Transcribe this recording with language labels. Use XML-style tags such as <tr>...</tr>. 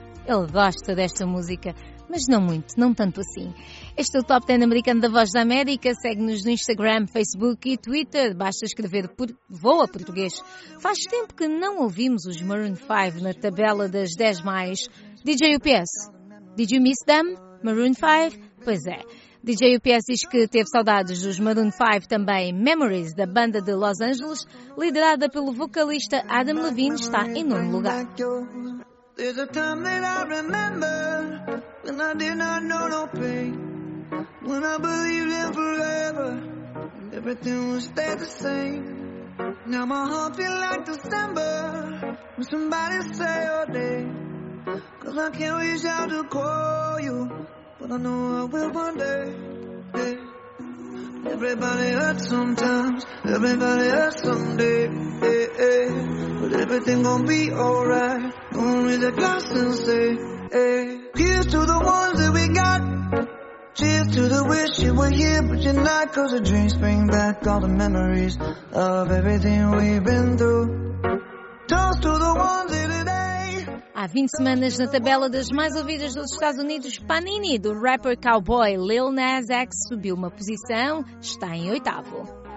<pt>Ele gosta desta música, mas não muito, não tanto assim. Este é o Top 10 americano da Voz da América. Segue-nos no Instagram, Facebook e Twitter. Basta escrever por Voa Português. Faz tempo que não ouvimos os Maroon 5 na tabela das 10 mais.</pt> <en>DJ UPS, did you miss them, Maroon 5?</en> <pt>Pois é. DJ UPS diz que teve saudades dos Maroon 5 também. Memories, da banda de Los Angeles, liderada pelo vocalista Adam Levine, está em nono lugar.</pt> <en>There's a time that I remember when I did not know no pain. When I believed in forever and everything would stay the same. Now my heart feels like December when somebody say your day. Cause I can't reach out to call you. But I know I will one day, yeah. Everybody hurts sometimes. Everybody hurts someday, yeah, yeah. But everything gon' be alright. Gonna raise a glass and say, hey. Here's to the ones that we got. Cheers to the wish you were here but you're not. Cause the dreams bring back all the memories of everything we've been through. Toast to the ones that it ain't.</en> <pt>Há 20 semanas na tabela das mais ouvidas dos Estados Unidos, Panini, do rapper cowboy Lil Nas X, subiu uma posição, está em oitavo.</pt>